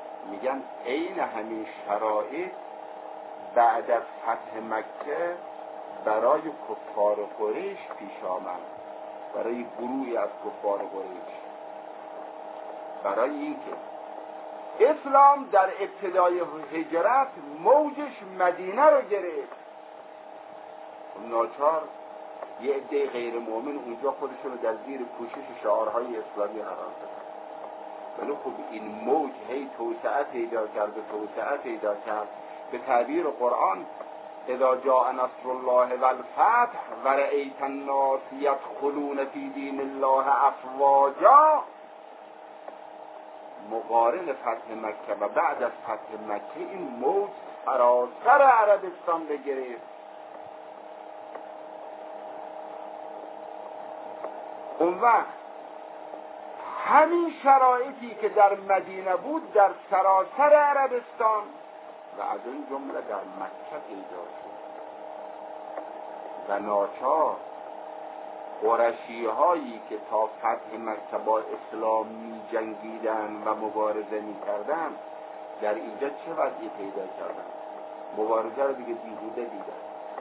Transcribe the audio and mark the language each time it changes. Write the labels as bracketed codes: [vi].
[fa] میگن این همین شرایط بعد از فتح مکه برای کفار قریش پیش آمد، برای گروهی از کفار قریش، برای اینکه اسلام در ابتدای هجرت موجش مدینه رو گرفت، ناچار یه عده غیر مؤمن اونجا خودشون رو در زیر پوشش شعارهای اسلامی قرار دادن. ولی خب این موج هی توسعه پیدا کرد و توسعه پیدا کرد. به تعبیر قرآن [ar] اذا جاء نصر الله والفتح ورأیت الناس يدخلون في دین الله افواجا. [fa] مقارن فتح مکه و بعد از فتح مکه این موج سراسر عربستان بگیرید. اون وقت همین شرایطی که در مدینه بود در سراسر عربستان و از این جمله در مکه پیدا شد و ناچار قرشی هایی که تا فتح مکه با اسلام می جنگیدن و مبارزه می کردن در اینجا چه وضعی پیدا کردن؟ مبارزه رو دیگه بیهوده دیدن.